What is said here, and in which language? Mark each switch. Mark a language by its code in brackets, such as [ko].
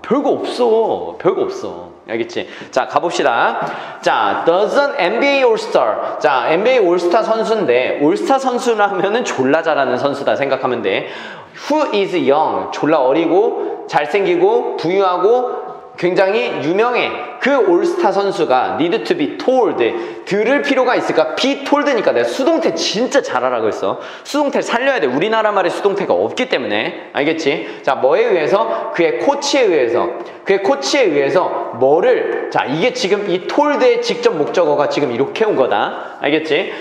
[ko] 별거 없어. 별거 없어. 알겠지? 자, 가봅시다. [en] 자, does an NBA All-Star. [ko] 자, NBA All-Star 선수인데, All-Star 선수라면은 졸라 잘하는 선수다 생각하면 돼. [en] Who is young? [ko] 졸라 어리고, 잘생기고, 부유하고, 굉장히 유명해. 그 올스타 선수가 [en] need to be told. [ko] 들을 필요가 있을까? be told니까 내가 수동태 진짜 잘 알아. 그랬어. 수동태를 살려야 돼. 우리나라 말에 수동태가 없기 때문에. 알겠지? 자, 뭐에 의해서? 그의 코치에 의해서. 그의 코치에 의해서 뭐를? 자, 이게 지금 이 told의 직접 목적어가 지금 이렇게 온 거다. 알겠지?